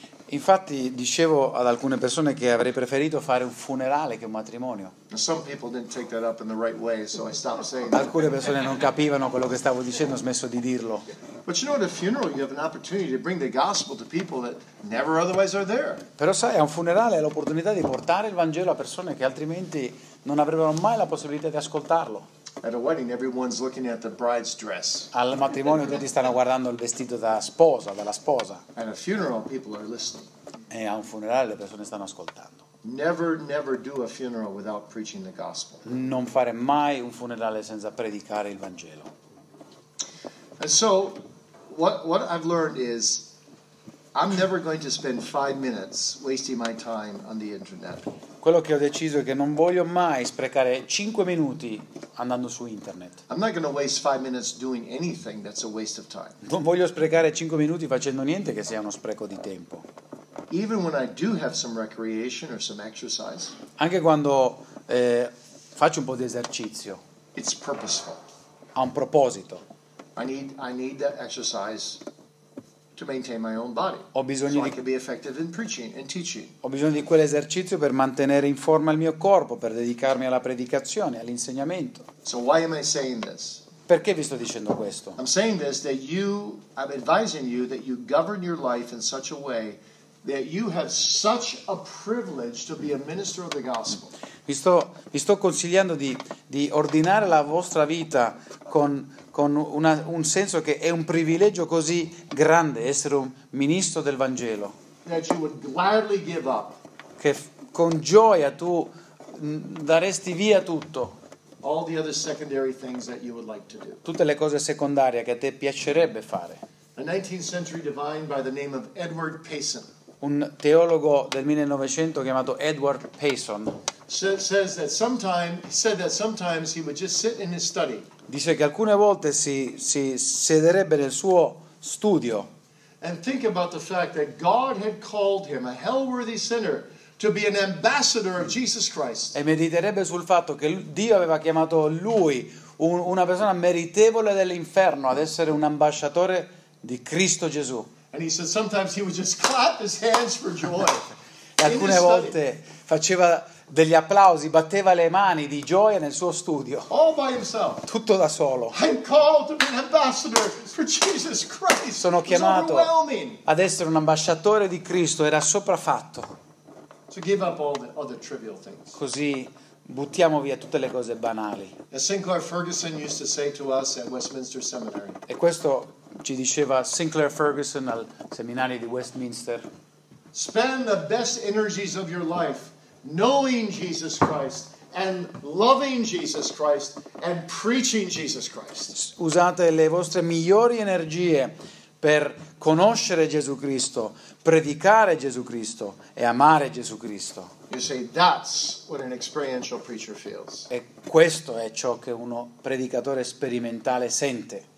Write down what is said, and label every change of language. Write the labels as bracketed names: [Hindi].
[Italian] Infatti, dicevo ad alcune persone che avrei preferito fare un funerale che un matrimonio. [English] Some people didn't take that up in the right way, so I stopped saying. [Italian] Alcune persone non capivano quello che stavo dicendo, ho smesso di dirlo. [English] But you know, at a funeral, you have an opportunity to bring the gospel to people that never otherwise are there. [Italian] Però sai, a un funerale hai l'opportunità di portare il Vangelo a persone che altrimenti non avrebbero mai la possibilità di ascoltarlo. [English] At a wedding, everyone's looking at the bride's dress. [Italian] Al matrimonio tutti stanno guardando il vestito da sposa, della sposa. [English] At a funeral, people are listening. [Italian] E a un funerale le persone stanno ascoltando. [English] Never, never do a funeral without preaching the gospel. [Italian] Non fare mai un funerale senza predicare il Vangelo. [English] And so, what I've learned is, I'm never going to spend 5 minutes wasting my time on the internet. [Italian] Quello che ho deciso è che non voglio mai sprecare 5 minuti andando su internet. [English] I'm not going to waste 5 minutes doing anything that's a waste of time. [Italian] Non voglio sprecare 5 minuti facendo niente che sia uno spreco di tempo. [English] Even when I do have some recreation or some exercise. [Italian] Anche quando faccio un po' di esercizio. [English] It's purposeful. [Italian] Ha un proposito. [English] I need that exercise to maintain my own body. [Italian] Ho bisogno di [English] I can be effective in preaching and teaching. [Italian] Ho bisogno di quell'esercizio per mantenere in forma il mio corpo, per dedicarmi alla predicazione, all'insegnamento. [English] So why am I saying this? [Italian] Perché vi sto dicendo questo? [English] I'm saying this that you I'm advising you that you govern your life in such a way that you have such a privilege to be a minister of the gospel. [Italian] Vi sto consigliando di ordinare la vostra vita con un senso che è un privilegio così grande essere un ministro del Vangelo. [English] That you would gladly give up. [Italian] Che con gioia tu daresti via tutto. [English] All the other secondary things that you would like to do. [Italian] Tutte le cose secondarie che a te piacerebbe fare. [English] A 19th century divine by the name of Edward Payson. [Italian] Un teologo del 1900 chiamato Edward Payson. [English] Said that sometimes he would just sit in his study. [Italian] Dice che alcune volte si sederebbe nel suo studio. [English] And think about the fact that God had called him a hell-worthy sinner to be an ambassador of Jesus Christ. [Italian] E mediterebbe sul fatto che Dio aveva chiamato lui una persona meritevole dell'inferno ad essere un ambasciatore di Cristo Gesù. [English] And he said sometimes he would just clap his hands for joy. [Italian] E alcune volte faceva degli applausi, batteva le mani di gioia nel suo studio. [English] All by himself. [Italian] Tutto da solo. [English] I'm called to be an ambassador for Jesus Christ. [Italian] Sono chiamato ad essere un ambasciatore di Cristo, era sopraffatto. [English] So give up all the other trivial things. [Italian] Così buttiamo via tutte le cose banali. [English] As Sinclair Ferguson used to say to us at Westminster Seminary. [Italian] E questo ci diceva Sinclair Ferguson al seminario di Westminster. [English] Spend the best energies of your life knowing Jesus Christ and loving Jesus Christ and preaching Jesus Christ. [Italian] Usate le vostre migliori energie per conoscere Gesù Cristo, predicare Gesù Cristo e amare Gesù Cristo. [English] You say that's what an experiential preacher feels. [Italian] E questo è ciò che uno predicatore sperimentale sente.